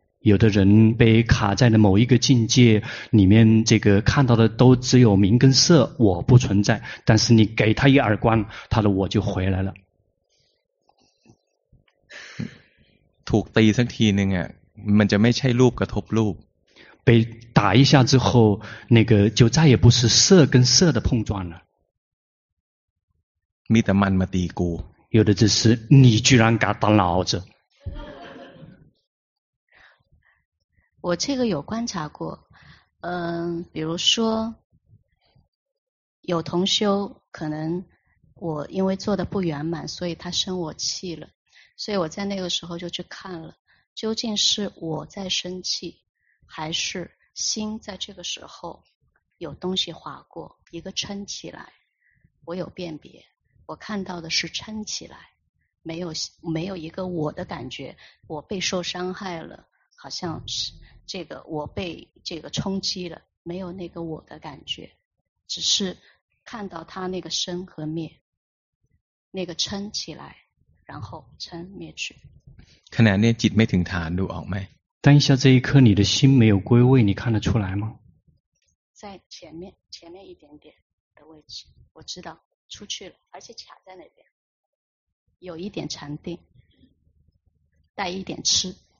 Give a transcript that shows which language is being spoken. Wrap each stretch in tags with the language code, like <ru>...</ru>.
<zh>有的人被卡在了某一个境界里面这个看到的都只有名跟色我不存在但是你给他一耳光他的我就回来了</zh> <th>ถูกตีสักทีนึงอ่ะมันจะไม่ใช่รูปกระทบรูป</th> <zh>被打一下之后那个就再也不是色跟色的碰撞了</zh> <th>มีแต่มันมาตีกู</th> <zh>有的只是你居然敢当老子我这个有观察过比如说有同修可能我因为做的不圆满所以他生我气了所以我在那个时候就去看了，究竟是我在生气，还是心在这个时候有东西划过，一个撑起来，我有辨别，我看到的是撑起来，没有一个我的感觉，我被受伤害了，好像是这个我被这个冲击了，没有那个我的感觉，只是看到他那个生和灭，那个撑起来，然后撑灭去。</zh> <th>ขณะนี้จิตไม่ถึงฐานดูออกไหม？</th> <zh>当下这一刻你的心没有归位，你看得出来吗？在前面一点点的位置，我知道出去了，而且卡在那边，有一点禅定，带一点痴。</zh>